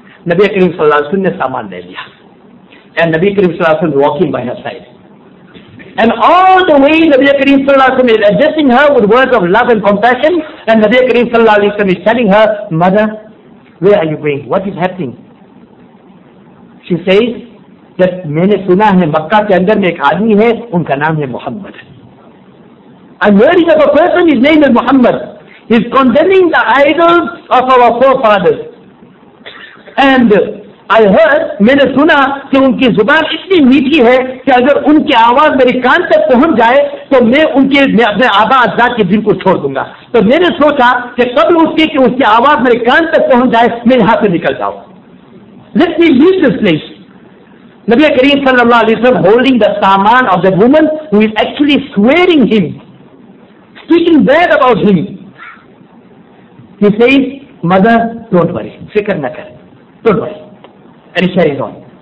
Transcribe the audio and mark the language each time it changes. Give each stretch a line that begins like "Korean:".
English: Nabi Kareem sallallahu alayhi wa sallam
Urdu: saman le liya.
English: And Nabi Kareem sallallahu alayhi wa sallam walking by her side. And all the way Nabi Kareem sallallahu alayhi wa sallam is addressing her with words of love and compassion. And Nabi Kareem sallallahu alayhi wa sallam is telling her, mother, where are you going? What is happening? She says, that
Urdu: میں نے سنا ہے مکہ کے اندر میں ایک آدمی ہے ان کا نام ہے محمد.
English: I'm hearing of a person, his name is Muhammad. He's condemning the idols of our forefathers. And I heard,
Urdu: میں نے سنا کہ ان کی زبان اتنی میٹھی ہے کہ اگر ان کی آواز میری کان تک پہنچ جائے تو میں ان کے میں اپنے آبا اجزاء کے دل کو چھوڑ دوں گا. تو میں نے سوچا کہ قبل اس کے کہ اس کی آواز میری کان تک پہنچ جائے میں یہاں سے نکل جاؤں.
English: Let me leave this place. Nabi Kareem sallallahu alayhi wa sallam holding the saman of that woman who is actually swearing him, speaking bad about him. He says, mother, don't worry,
Urdu: fikr na kar,
English: don't worry. And he carries on.